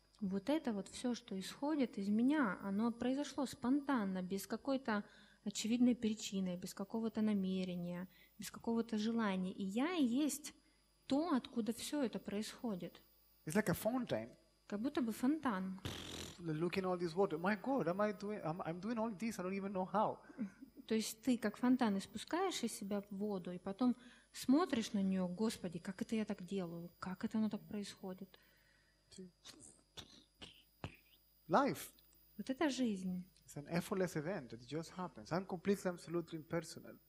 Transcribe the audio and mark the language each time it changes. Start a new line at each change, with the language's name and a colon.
Russian: Вот это вот все, что исходит из меня, оно произошло спонтанно, без какой-то очевидной причины, без какого-то намерения, без какого-то желания. И я и есть то, откуда все это происходит.
English: It's like a fountain.
Russian: Как будто бы фонтан.
English: Looking all this water. My God, am I doing, I'm doing all this, I don't even know how.
Russian: То есть ты как фонтан испускаешь из себя воду, и потом смотришь на нее, Господи, как это я так делаю? Как это оно так происходит?
English: Life.
Russian: Вот это жизнь.
English: It's an effortless event. It just happens. I'm completely, absolutely impersonal.